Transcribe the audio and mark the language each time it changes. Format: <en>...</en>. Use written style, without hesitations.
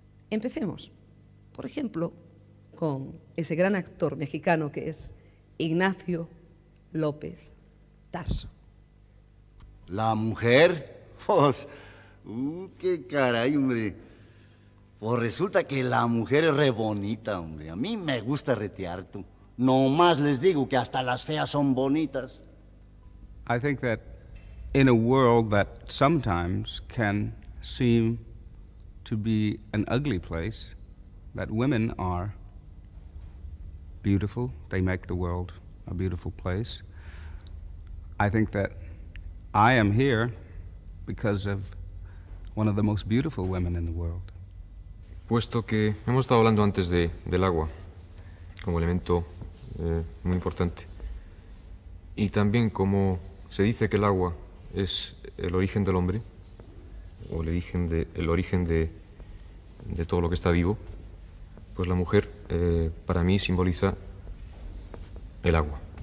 <es>Empecemos, por ejemplo, con ese gran actor mexicano que es Ignacio López Tarso. ¿La mujer? Pues, qué caray, hombre. Pues resulta que la mujer es re bonita, hombre. A mí me gusta retear tú. Nomás les digo que hasta las feas son bonitas.</es> <en>I think that in a world that sometimes can seem to be an ugly place, that women are beautiful, they make the world a beautiful place. I think that I am here because of one of the most beautiful women in the world.</en> <es>Puesto que hemos estado hablando antes del agua como elemento muy importante, y también como se dice que el agua es el origen del hombre, o el origen de todo lo que está vivo, pues la mujer para mí simboliza el agua.</es>